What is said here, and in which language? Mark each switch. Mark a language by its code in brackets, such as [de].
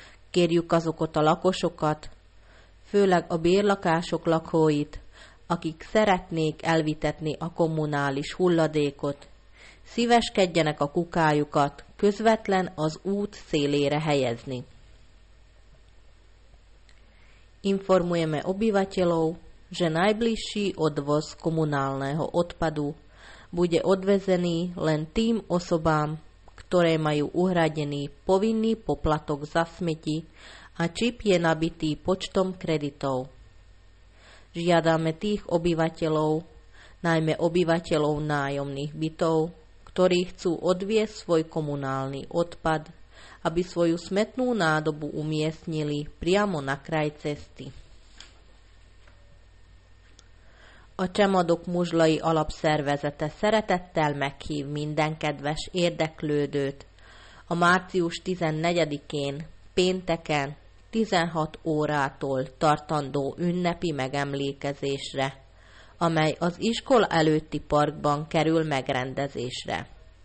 [hu] Kérjük azokat a lakosokat, főleg a bérlakások lakóit, akik szeretnék elvitetni a kommunális hulladékot, szíveskedjenek a kukájukat közvetlen az út szélére helyezni. [sk] Informujeme obyvateľov, že najbližší odvoz komunálneho odpadu bude odvezený len tým osobám, ktoré majú uhradený povinný poplatok za smeti a čip je nabitý počtom kreditov. Žiadame tých obyvateľov, najmä obyvateľov nájomných bytov, ktorí chcú odviesť svoj komunálny odpad, aby svoju smetnú nádobu umiestnili priamo na kraj cesty. [hu] A Csemadok Muzslai Alapszervezete szeretettel meghív minden kedves érdeklődőt a március 14-én, pénteken, 16 órától tartandó ünnepi megemlékezésre, amely az iskola előtti parkban kerül megrendezésre.